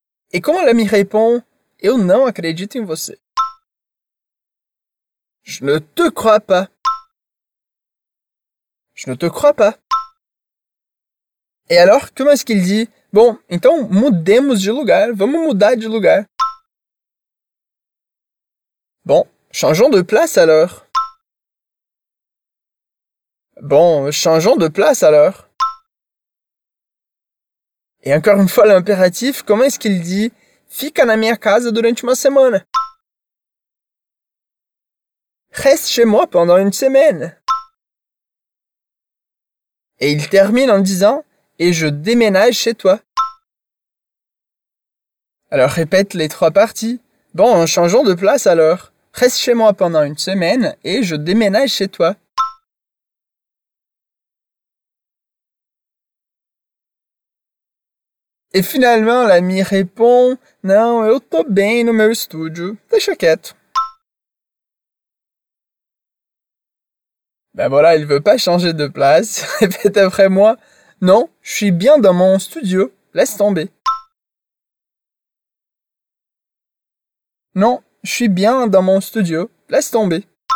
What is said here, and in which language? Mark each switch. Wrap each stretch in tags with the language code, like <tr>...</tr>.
<fr>Et comment l'ami répond?</fr> <pt>Eu não acredito em você.</pt> <fr>Je ne te crois pas. Je ne te crois pas. Et alors, comment est-ce qu'il dit?</fr> <pt>Bon, então mudemos de lugar. Vamos mudar de lugar.</pt> <fr>Bon, changeons de place alors. Bon, changeons de place alors. Et encore une fois, l'impératif, comment est-ce qu'il dit?</fr> <pt>Fica na minha casa durante uma semana.</pt> <fr>Reste chez moi pendant une semaine. Et il termine en disant, et je déménage chez toi. Alors répète les trois parties. Bon, changeons de place alors. Reste chez moi pendant une semaine et je déménage chez toi. Et finalement, l'ami répond, non,</fr> <pt>eu tô bem no meu estúdio. Deixa quieto.</pt> <fr>Ben voilà, il veut pas changer de place. Répète après moi, non, je suis bien dans mon studio. Laisse tomber. Non, je suis bien dans mon studio. Laisse tomber.</fr>